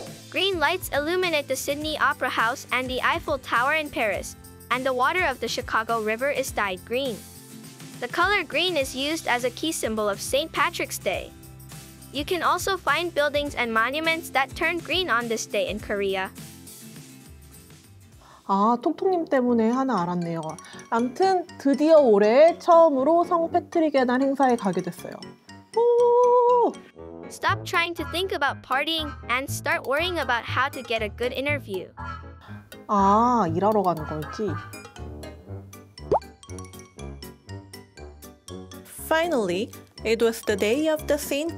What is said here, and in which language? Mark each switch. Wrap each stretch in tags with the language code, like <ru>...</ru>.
<en>Green lights illuminate the Sydney Opera House and the Eiffel Tower in Paris, and the water of the Chicago River is dyed green. The color green is used as a key symbol of St. Patrick's Day. You can also find buildings and monuments that turn green on this day in Korea.</en> <ko>아, 톡톡님 때문에 하나 알았네요. 암튼 드디어 올해 처음으로 성패트릭의 날 행사에 가게 됐어요. 오!</ko> <en>Stop trying to think about partying and start worrying about how to get a good interview.</en> <ko>아, 일하러 가는 거였지.</ko> <en>Finally, it was the day of the St.</en>